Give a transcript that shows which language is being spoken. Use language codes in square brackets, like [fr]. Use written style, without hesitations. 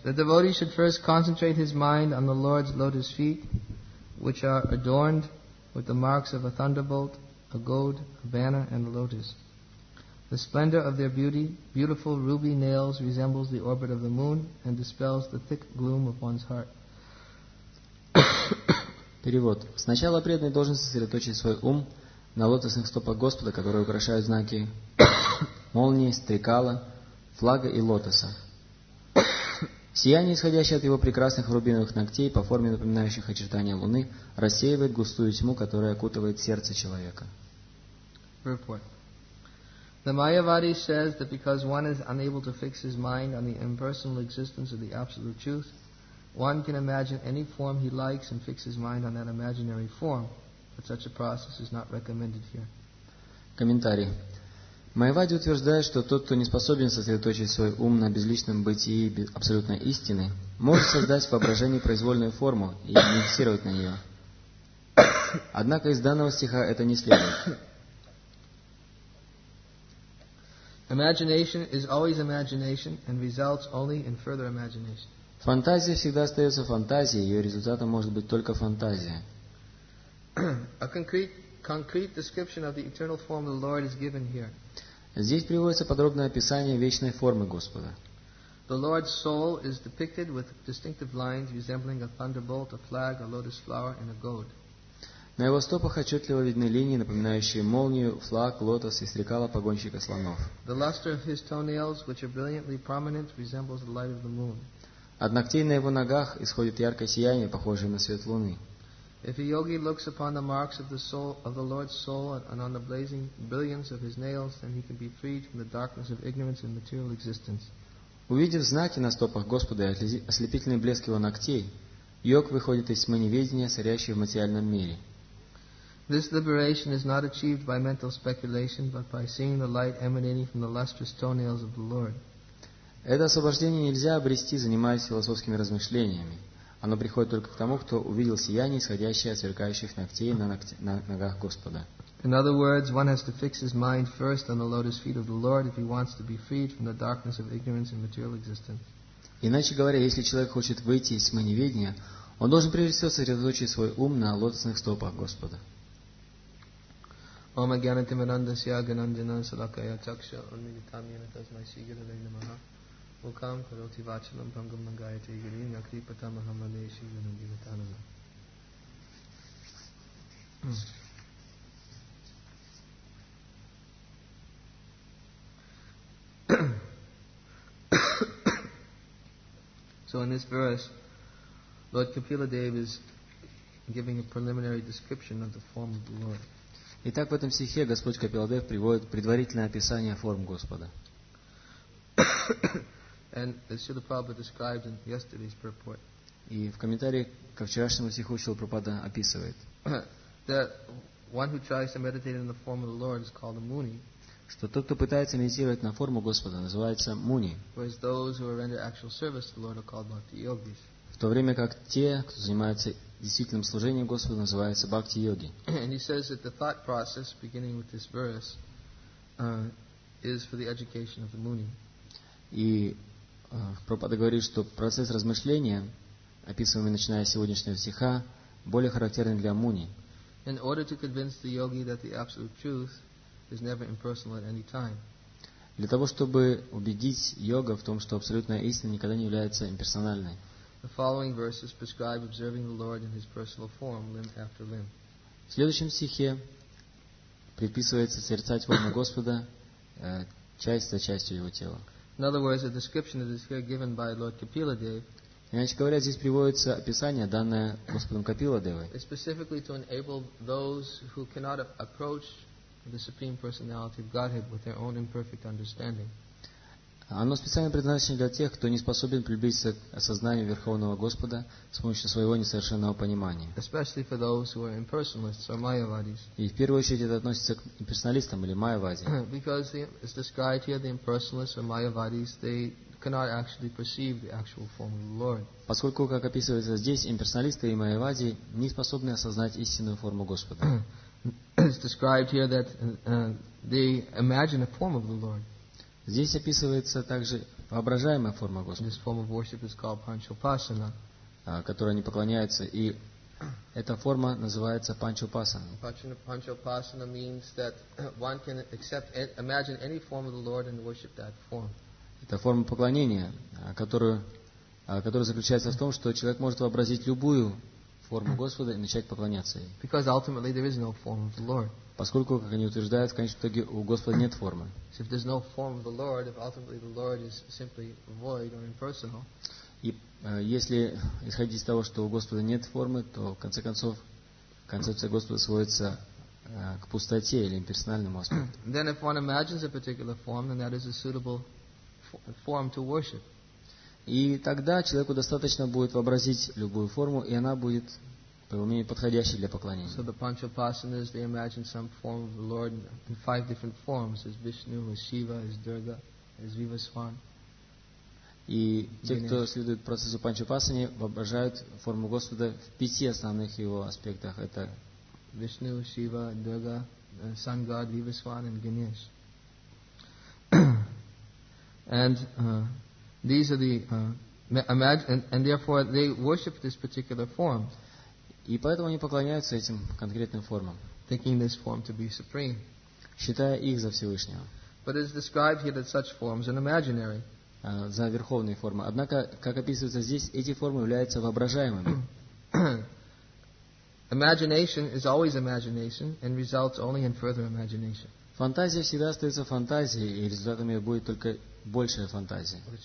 [en] The devotee should first concentrate his mind on the Lord's lotus feet, which are adorned with the marks of a thunderbolt, a goad, a banner, and a lotus. The splendor of their beauty, beautiful ruby nails, resembles the orbit of the moon and dispels the thick gloom of one's heart. [ru] Перевод. Сначала преданный должен сосредоточить свой ум на лотосных стопах Господа, которые украшают знаки молнии, стрекала, флага и лотоса. Сияние, исходящее от его прекрасных рубиновых ногтей, по форме напоминающих очертания луны, рассеивает густую тьму, которая окутывает сердце человека. [en] Report. The Mayavadi says that because one is unable to fix his mind on the impersonal existence of the Absolute Truth, one can imagine any form he likes and fix his mind on that imaginary form, but such a process is not recommended here. [ru] Комментарий. Майявади утверждает, что тот, кто не способен сосредоточить свой ум на безличном бытии абсолютной истины, может создать в воображении произвольную форму и медитировать на нее. Однако из данного стиха это не следует. [en] Imagination is always imagination and results only in further imagination. [ru] Фантазия всегда остается фантазией, ее результатом может быть только фантазия. [en] A concrete description of the eternal form of the Lord is given here. [ru] Здесь приводится подробное описание вечной формы Господа. [en] The Lord's soul is depicted with distinctive lines resembling a thunderbolt, a flag, a lotus flower, and a goad. [ru] На его стопах отчетливо видны линии, напоминающие молнию, флаг, лотос и стрекало погонщика слонов. [en] The luster of his toenails, which are brilliantly prominent, resembles the light of the moon. [ru] От ногтей на его ногах исходит яркое сияние, похожее на свет луны. [en] If a yogi looks upon the marks of the soul of the Lord's soul and on the blazing brilliance of his nails, then he can be freed from the darkness of ignorance and material existence. [ru] Увидев знаки на стопах Господа и ослепительный блеск его ногтей, йог выходит из тьмы неведения, царящей в материальном мире. [en] This liberation is not achieved by mental speculation, but by seeing the light emanating from the lustrous toenails of the Lord. [ru] Это освобождение нельзя обрести, занимаясь философскими размышлениями. Оно приходит только к тому, кто увидел сияние, исходящее от сверкающих ногтей на ногах Господа. [en] In other words, one has to fix his mind first on the lotus feet of the Lord if he wants to be freed from the darkness of ignorance and material existence. [ru] Иначе говоря, если человек хочет выйти из тьмы неведения, он должен прежде всего сосредоточить свой ум на лотосных стопах Господа. [sa] Ом агьянатим анандасья гананджана салакая чакша анмилитамьяна тасмай сигиралай намаха. Mukam karoti vachalam bhangam nagayate girin yakripata mahamaneshi yanagivatanana. [en] So in this verse, Lord Kapila Dev is giving a preliminary description of the form of the Lord. [ru] Итак, в этом стихе Господь Капиладев приводит предварительное описание форм Господа. [en] And as Srila Prabhupada described in yesterday's purport. [ru] И в комментарии ко вчерашнему стиху Шрила Прабхупада описывает. [en] That one who tries to meditate in the form of the Lord is called a muni. [ru] Что тот, кто пытается медитировать на форму Господа, называется муни. [en] Whereas those who render actual service to the Lord are called bhakti yogis. [ru] В то время как те, кто занимается действительным служением Господу, называются бхакти йоги. [en] And he says that the thought process, beginning with this verse, is for the education of the muni. [ru] И Прабхупада говорит, что процесс размышления, описываемый начиная с сегодняшнего стиха, более характерен для муни. [en] In order to convince the yogi that the absolute truth is never impersonal at any time. [ru] Для того, чтобы убедить йога в том, что абсолютная истина никогда не является имперсональной. [en] The following verses prescribe observing the Lord in his personal form, limb after limb. [ru] В следующем стихе предписывается созерцать форму Господа, часть за частью его тела. [en] In other words, a description that is here given by Lord Kapila Dev. [ru] Иначе говоря, здесь приводится описание, данное Господом Капила Девой. [en] Specifically to enable those who cannot approach the Supreme Personality of Godhead with their own imperfect understanding. [ru] Оно специально предназначено для тех, кто не способен приблизиться к осознанию Верховного Господа с помощью своего несовершенного понимания. [en] Especially for those who are impersonalists or mayavadis. [ru] И в первую очередь это относится к имперсоналистам или майявади. [en] Because it's described here the impersonalists or mayavadis, they cannot actually perceive the actual form of the Lord. [ru] Поскольку, как описывается здесь, имперсоналисты и майявади не способны осознать истинную форму Господа. [en] It's described here that they imagine a form of the Lord. [ru] Здесь описывается также воображаемая форма Господа, которой они поклоняются, и эта форма называется панчупасана. Панчупасана means that one can accept, imagine any form of the Lord and worship that form. Это форма поклонения, которая заключается в том, что человек может вообразить любую форму Господа и начать поклоняться ей. [en] Because ultimately there is no form of the Lord. [ru] Поскольку, как они утверждают, в конечном итоге у Господа нет формы. [en] So if there's no form of the Lord, if ultimately the Lord is simply void or impersonal. [ru] И если исходить из того, что у Господа нет формы, то в конце концов концепция Господа сводится к пустоте или имперсональному аспекту. [en] Then if one imagines a particular form, then that is a suitable form to worship. [ru] И тогда человеку достаточно будет вообразить любую форму, и она будет, по его мнению, подходящей для поклонения. [en] So the Panchopasanas, they imagine some form of the Lord in five different forms, as Vishnu, as Shiva, as Durga, as Vivaswan. [ru] И те, кто следует процессу Панчопасаны, воображают форму Господа в пяти основных его аспектах. Это [en] Vishnu, Shiva, Durga, Sun God, Vivaswan, and Ganesh. These are the and therefore they worship this particular form. [ru] И поэтому они поклоняются этим конкретным формам. [en] Thinking this form to be supreme. [ru] Считая их за Всевышнего. [en] But it's described here that such forms are imaginary. [ru] За верховные формы. Однако, как описывается здесь, эти формы являются воображаемыми. [en] Imagination is always imagination and results only in further imagination. [ru] Фантазия всегда остается фантазией, и результатом ее будет только большая фантазия.